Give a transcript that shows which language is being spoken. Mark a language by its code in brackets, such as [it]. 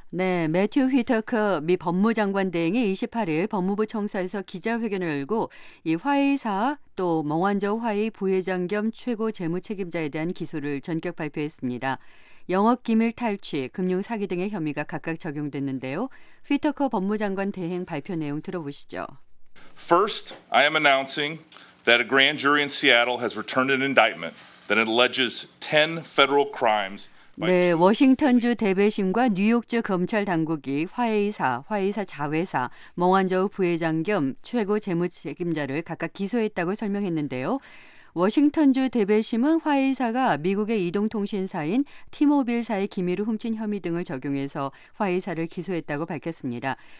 [ko] 네, 매튜 휘터커 미 법무장관 대행이 28일 법무부 청사에서 기자회견을 열고 이 화웨이사 또 멍완저우 화웨이 부회장 겸 최고 재무 책임자에 대한 기소를 전격 발표했습니다. 영업기밀 탈취, 금융사기 등의 혐의가 각각 적용됐는데요. 휘터커 법무장관 대행 발표 내용 들어보시죠. [en] First, I am announcing that a grand jury in Seattle has returned an indictment that alleges 10 federal crimes. [ko] 네, 워싱턴주 대배심과 뉴욕주 검찰 당국이 화웨이사, 화웨이사 자회사, 멍완저우 부회장 겸 최고 재무 책임자를 각각 기소했다고 설명했는데요. 워싱턴주 대배심은 화웨이사가 미국의 이동통신사인 티모빌사의 기밀을 훔친 혐의 등을 적용해서 화웨이사를 기소했다고 밝혔습니다.